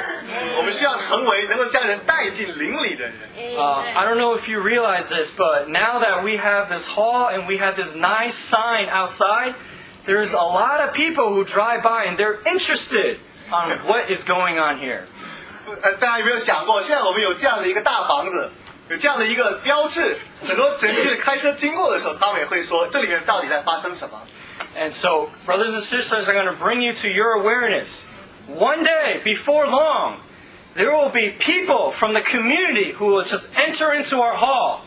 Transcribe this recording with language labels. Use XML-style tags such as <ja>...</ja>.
<en>I don't know if you realize this, but now that we have this hall and we have this nice sign outside, there's a lot of people who drive by and they're interested on what is going on here.</en> <zh>大家有没有想过，现在我们有这样的一个大房子，有这样的一个标志，很多人去开车经过的时候，他们也会说，这里面到底在发生什么？</zh> <en>And so, brothers and sisters, I'm going to bring you to your awareness. One day, before long, there will be people from the community who will just enter into our hall,</en>